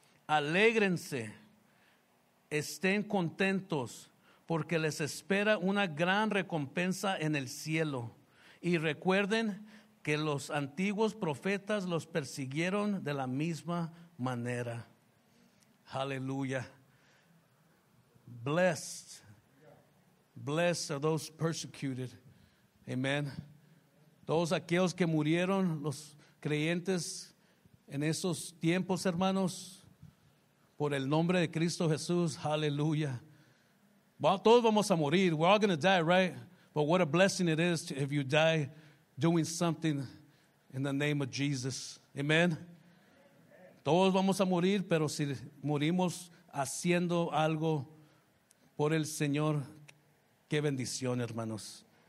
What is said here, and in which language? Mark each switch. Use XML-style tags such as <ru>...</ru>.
<es>Alégrense, estén contentos, porque les espera una gran recompensa en el cielo. Y recuerden que los antiguos profetas los persiguieron de la misma manera.</es> <en>Hallelujah. Blessed. Blessed are those persecuted. Amen.</en> <es>Todos aquellos que murieron, los creyentes en esos tiempos, hermanos, por el nombre de Cristo Jesús. Hallelujah. Well, todos vamos a morir.</es> <en>We're all going to die, right? But what a blessing it is if you die doing something in the name of Jesus. Amen.</en> <es>Todos vamos a morir, pero si morimos haciendo algo por el Señor, qué bendición, hermanos.</es>